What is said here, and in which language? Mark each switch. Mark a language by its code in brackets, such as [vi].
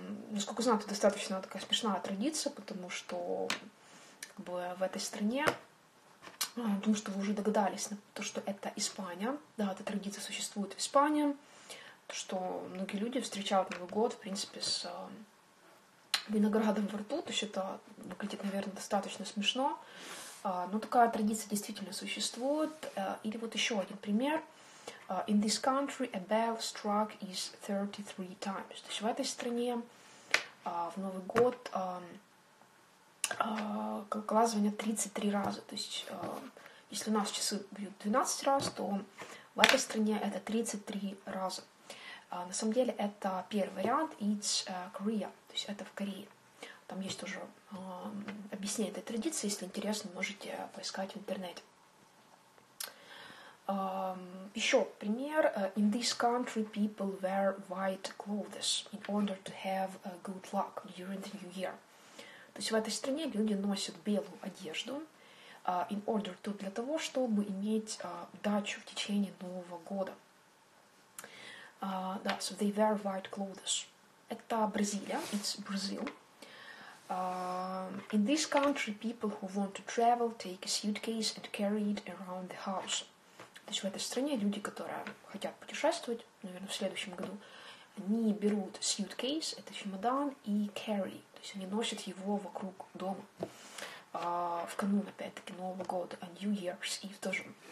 [ru] Насколько знаю, это достаточно такая смешная традиция, потому что как бы в этой стране, думаю, что вы уже догадались, то, что это Испания, да, эта традиция существует в Испании, то, что многие люди встречают Новый год, в принципе, с виноградом во рту, то есть это выглядит, наверное, достаточно смешно, но такая традиция действительно существует. Или вот еще один пример. [en] In this country a bell struck is 33 times. [ru] То есть в этой стране в Новый год колокола звонят 33 раза. То есть если у нас часы бьют 12 раз, то в этой стране это 33 раза. На самом деле это первый вариант. [en] It's Korea. [ru] То есть это в Корее. Там есть тоже объяснение этой традиции. Если интересно, можете поискать в интернете. Еще пример. In this country people wear white clothes in order to have good luck during the new year. То есть в этой стране люди носят белую одежду [en] in order to, [ru] для того, чтобы иметь удачу в течение Нового года. [en] Да, so they wear white clothes. [ru] Это Бразилия, [en] it's Brazil. In this country people who want to travel take a suitcase and carry it around the house. [ru] То есть в этой стране люди, которые хотят путешествовать, наверное, в следующем году, они берут suitcase, это чемодан, и carry, то есть они носят его вокруг дома в канун, опять-таки, Нового года, [en] New Year's Eve [ru] тоже.